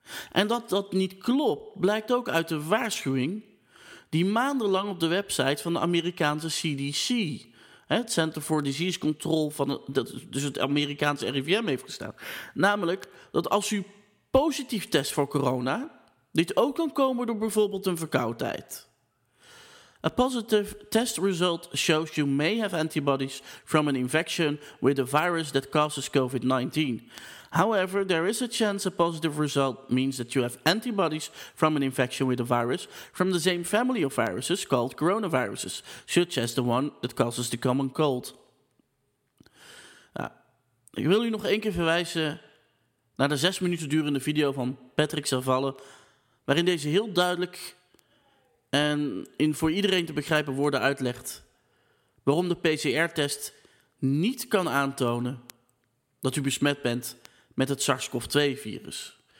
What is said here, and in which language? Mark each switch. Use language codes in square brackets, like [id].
[nl] En dat dat niet klopt, blijkt ook uit de waarschuwing die maandenlang op de website van de Amerikaanse CDC, het Center for Disease Control van het Amerikaanse RIVM, heeft gestaan. Namelijk dat als u positief test voor corona, dit ook kan komen door bijvoorbeeld een verkoudheid. [en] A positive test result shows you may have antibodies from an infection with a virus that causes COVID-19. However, there is a chance a positive result means that you have antibodies from an infection with a virus from the same family of viruses called coronaviruses, such as the one that causes the common cold. [nl] Ik wil u nog één keer verwijzen naar de 6 minuten durende video van Patrick Zavalle, waarin deze heel duidelijk en in voor iedereen te begrijpen woorden uitlegt waarom de PCR-test niet kan aantonen dat u besmet bent met het SARS-CoV-2-virus.